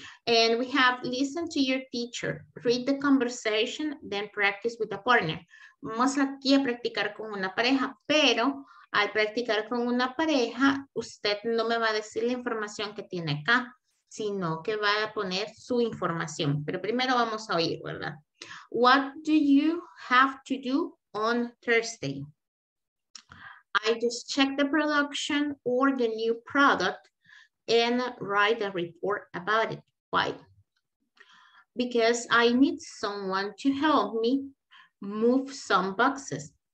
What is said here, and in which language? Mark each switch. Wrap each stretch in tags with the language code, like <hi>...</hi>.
<en>And we have listen to your teacher, read the conversation, then practice with a partner.</en> <es>Vamos aquí a practicar con una pareja, pero al practicar con una pareja, usted no me va a decir la información que tiene acá, sino que va a poner su información. Pero primero vamos a oír, ¿verdad?</es> <en>What do you have to do on Thursday? I just checked the production or the new product and write a report about it. Why? Because I need someone to help me move some boxes.</en>